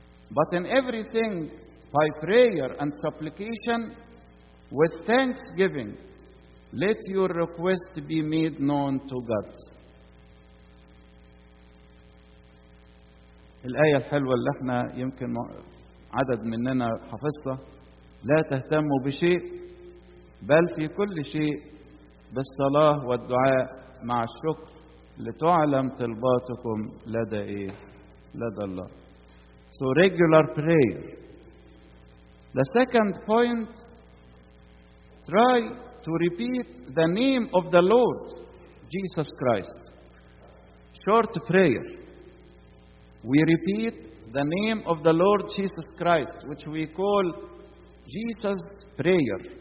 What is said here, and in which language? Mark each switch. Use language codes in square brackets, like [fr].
[en] But in everything, by prayer and supplication, with thanksgiving, let your request be made known to God. [ar] الآية الحلوة اللي احنا يمكن عدد مننا حفظها، لا تهتموا بشيء بل في كل شيء بالصلاة والدعاء مع الشكر لتعلم طلباتكم لدى ايه؟ لدى الله. [en] So regular prayer. The second point, try to repeat the name of the Lord Jesus Christ. Short prayer. We repeat the name of the Lord Jesus Christ, which we call Jesus' prayer.